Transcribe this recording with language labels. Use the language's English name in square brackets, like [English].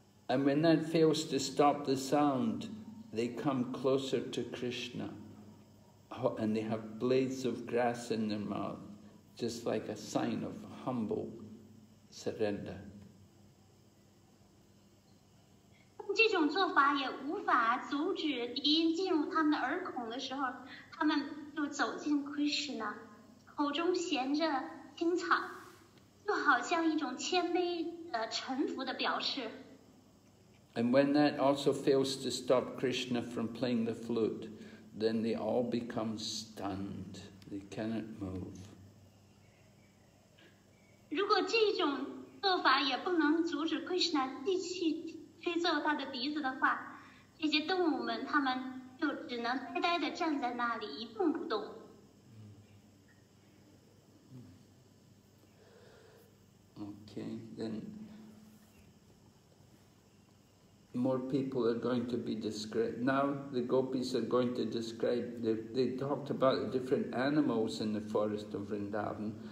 [English] And when that fails to stop the sound, they come closer to Krishna, and they have blades of grass in their mouth, just like a sign of humble surrender. [Chinese] 这种做法也无法阻止笛音进入他们的耳孔的时候，他们就走进Krishna，口中衔着青草，就好像一种谦卑的臣服的表示。 [English] And when that also fails to stop Krishna from playing the flute, then they all become stunned. They cannot move. [Chinese] 如果这种做法也不能阻止Krishna继续吹奏他的笛子的话，这些动物们他们就只能呆呆地站在那里一动不动。 [English] Okay, then more people are going to be described. Now the gopis are going to describe, they talked about the different animals in the forest of Vrindavan.